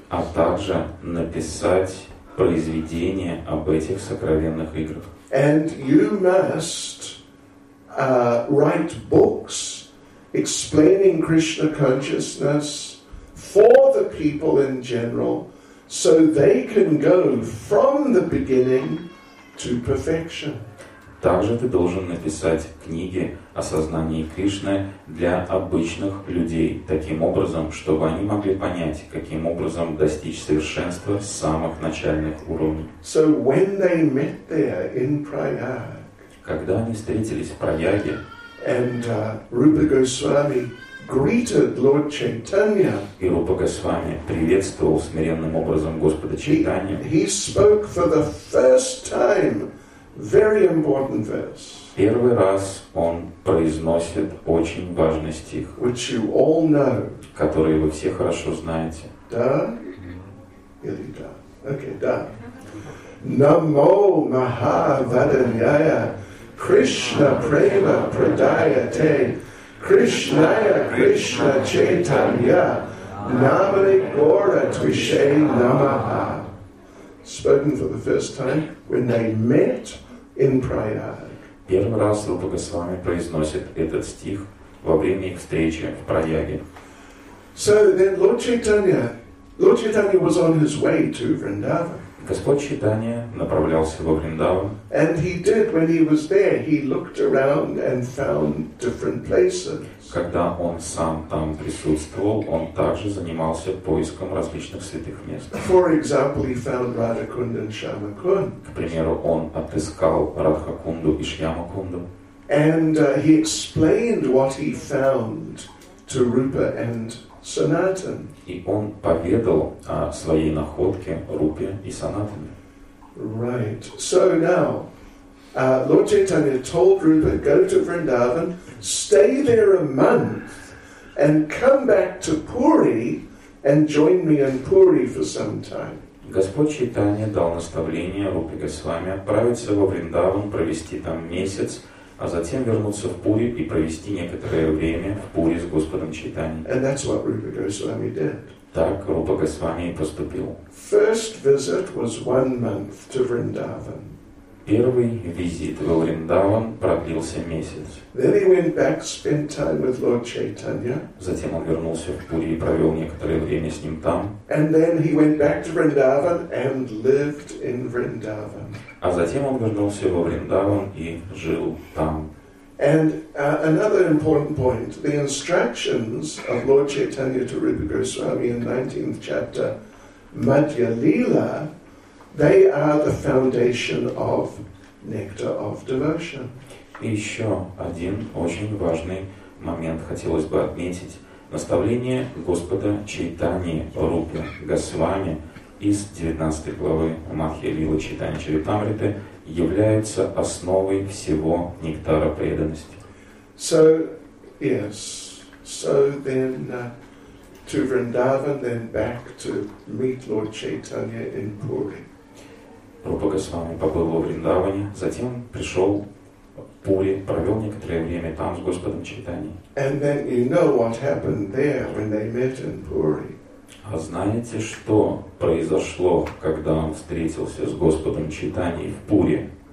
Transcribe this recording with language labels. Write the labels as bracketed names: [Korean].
[Russian] А также написать произведение об этих сокровенных играх. [English] And you must write books explaining Krishna consciousness for the people in general, so they can go from the beginning to perfection. [Russian] Также ты должен написать книги о сознании Кришны для обычных людей, таким образом, чтобы они могли понять, каким образом достичь совершенства с самых начальных уровней. [English] So when they met there in Prayag, [Russian] когда они встретились в Прайаге, [English] and Rupa Goswami greeted Lord Chaitanya. [Russian] И Рупа Госвами приветствовал смиренным образом Господа Чайтанью. [English] He spoke for the first time very important verse. [Russian] Первый раз он произносит очень важный стих, [English] which you all know. [Russian] Который вы все хорошо знаете. Да? Или да? [Sanskrit] Okay, [Russian] да. [Sanskrit] Намо Махаваданьяя Krishna prema pradayate Krishnaya Krishna Chaitanya Namani Gora Twishe Namaha. [English] Spoken for the first time when they met in Prayag. [Russian] Первый раз Рупа Госвами произносит этот стих во время их встречи в Праяге. [English] So then Lord Chaitanya was on his way to Vrindavan. [Russian] Господь Чайтанья направлялся во Вриндаван. [English] And he did when he was there, he looked around and found different places. [Russian] Когда он сам там присутствовал, он также занимался поиском различных святых мест. [English] For example, he found Radhakunda and Shyamakunda. [Russian] К примеру, он отыскал Радхакунду и Шьямакунду. [English] And he explained what he found to Rupa and Sanatan. [Russian] И он поведал о своей находке Рупе и Санатане. [English] Right. So now, Lord Chaitanya told Rupa, go to Vrindavan, stay there a month, and come back to Puri and join me in Puri for some time. [Russian] Господь Чайтанья дал наставление Рупе Госвами отправиться во Вриндаван, провести там месяц, а затем вернуться в Пури и провести некоторое время в Пури с Господом Чайтаньей. [English] And that's what Rupa Goswami did. [Russian] Так Рупа Госвами и поступил. [English] First visit was 1 month to Vrindavan. [Russian] Первый визит во Вриндаван продлился месяц. [English] Then he went back, spent time with Lord Chaitanya. [Russian] Затем он вернулся в Пури и провел некоторое время с ним там. [English] And then he went back to Vrindavan and lived in Vrindavan. [Russian] А затем он вернулся во Вриндаван и жил там. [English] And another important point, the instructions of Lord Chaitanya to Rupa Goswami in 19th chapter Madhya Lila, they are the foundation of nectar of devotion. [Russian] И еще один очень важный момент хотелось бы отметить. Наставление Господа Чайтаньи Рупы Госвами из 19 главы Махья Лила Чайтанья Чаритамриты является основой всего нектара преданности. [English] So, yes. So then to Vrindavan, then back to meet Lord Chaitanya in Puri. [Russian] Рупа Госвами побыл во Вриндаване, затем пришел в Пури, провел некоторое время там с Господом Чайтаньей. [English] And then you know what happened there when they met in Puri. [Russian] А знаете, что произошло, когда он встретился с Господом Чайтаньей в Пури?